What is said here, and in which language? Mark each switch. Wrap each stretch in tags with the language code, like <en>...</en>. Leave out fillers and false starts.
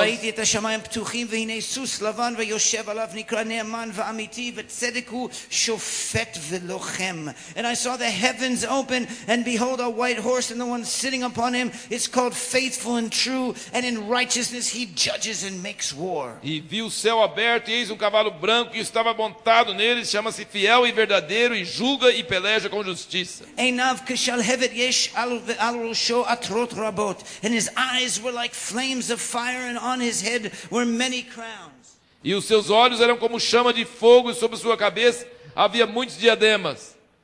<he>ראיתי את השמיים פתוחים והנה סוס לבן ויושב עליו נקרא נאמן ואמיתי וצדק הוא שופט ולוחם.</he> <en>And I saw the heavens open and behold a white horse and the one sitting upon him is called faithful and true and in righteousness he judges and makes war.</en> <pt>E vi o céu aberto e eis cavalo branco que estava montado nele chama-se fiel e verdadeiro e julga e peleja com justiça.</pt> <he>Einav kishalhevet yesh al rosho atrot rabot</he> <en>and his eyes were like flames of fire and on his head were many crowns.</en> <pt>E os seus olhos eram como chama de fogo, e sobre sua cabeça havia muitos diademas.</pt>